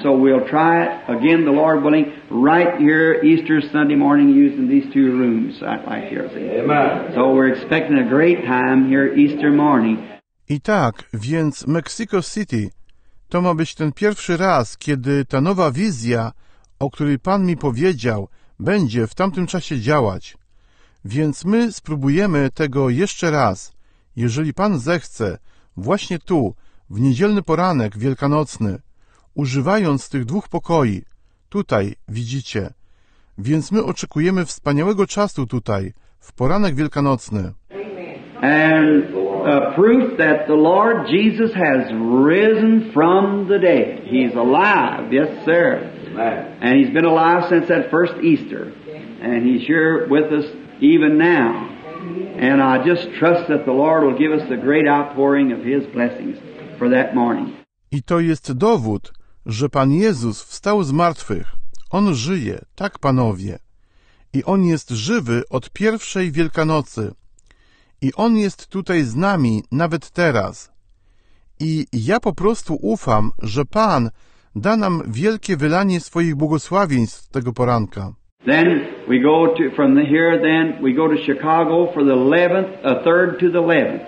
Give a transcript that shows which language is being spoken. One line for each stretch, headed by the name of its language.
English: So we'll try it again, the Lord willing, right here Easter Sunday morning using these two rooms right here. Amen. So we're expecting a great time here Easter morning.
Polish: I tak, więc Mexico City to ma być ten pierwszy raz, kiedy ta nowa wizja, o której Pan mi powiedział, będzie w tamtym czasie działać. Więc my spróbujemy tego jeszcze raz, jeżeli Pan zechce, właśnie tu, w niedzielny poranek wielkanocny, używając tych dwóch pokoi, tutaj, widzicie. Więc my oczekujemy wspaniałego czasu tutaj, w poranek wielkanocny.
English: And a proof that the Lord Jesus has risen from the dead. He's alive, yes sir. And he's been alive since that first Easter. And he's here with us even now. And I just trust that the Lord will give us the great outpouring of his blessings for that morning.
Polish: I to jest dowód, że Pan Jezus wstał z martwych. On żyje, tak panowie. I on jest żywy od pierwszej Wielkanocy. I on jest tutaj z nami nawet teraz. I ja po prostu ufam, że Pan da nam wielkie wylanie swoich błogosławieństw tego poranka.
English: Then we go to, from here then we go to Chicago for the 11th, a third to the 11th.